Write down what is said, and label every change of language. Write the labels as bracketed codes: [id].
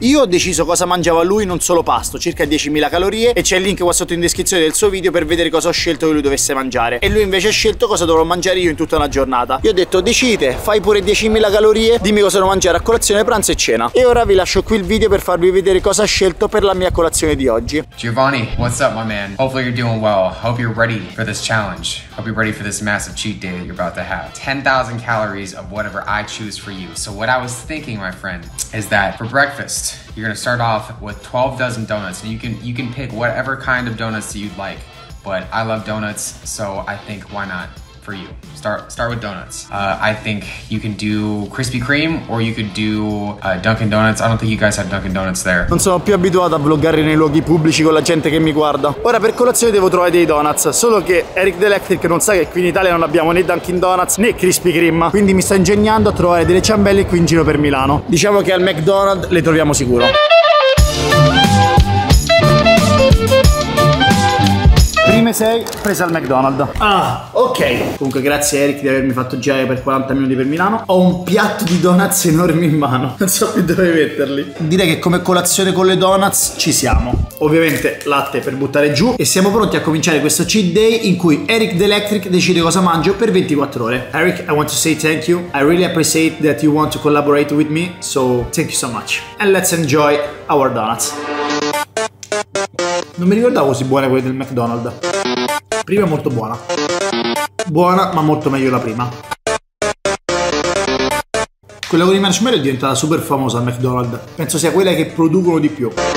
[it] Io ho deciso cosa mangiava lui in un solo pasto, circa 10.000 calorie, e c'è il link qua sotto in descrizione del suo video per vedere cosa ho scelto che lui dovesse mangiare. E lui invece ha scelto cosa dovrò mangiare io in tutta una giornata. Io ho detto: decidete, fai pure 10.000 calorie, dimmi cosa devo mangiare a colazione, pranzo e cena. E ora vi lascio qui il video per farvi vedere cosa ho scelto per la mia colazione di oggi. [en] Giovanni, what's up? Man, hopefully you're doing well. Hope you're ready for this challenge. Hope you're ready for this massive cheat day that you're about to have. 10,000 calories of whatever I choose for you. So what I was thinking, my friend, is that for breakfast, you're gonna start off with 12 dozen donuts, and you can pick whatever kind of donuts that you'd like. But I love donuts, so I think why not for you? Start with donuts. I think you can do Krispy Kreme or you could do Dunkin' Donuts. I don't think you guys have Dunkin' Donuts there. [it] Non sono più abituato a vloggare nei luoghi pubblici con la gente che mi guarda. Ora per colazione devo trovare dei donuts. Solo che Eric the Electric non sa che qui in Italia non abbiamo né Dunkin' Donuts né Krispy Kreme. Quindi mi sto ingegnando a trovare delle ciambelle qui in giro per Milano. Diciamo che al McDonald's le troviamo sicuro. Prime 6 prese al McDonald's. Ah, ok. Comunque grazie Eric di avermi fatto girare per 40 minuti per Milano. Ho un piatto di donuts enormi in mano. Non so più dove metterli. Direi che come colazione con le donuts ci siamo. Ovviamente latte per buttare giù. E siamo pronti a cominciare questo cheat day in cui Eric the Electric decide cosa mangio per 24 ore. [en] Eric, I want to say thank you. I really appreciate that you want to collaborate with me. So thank you so much. And let's enjoy our donuts. [it] Non mi ricordavo così buone quelle del McDonald's. Prima è molto buona. Buona, ma molto meglio la prima. Quella con i marshmallow è diventata super famosa al McDonald's. Penso sia quella che producono di più.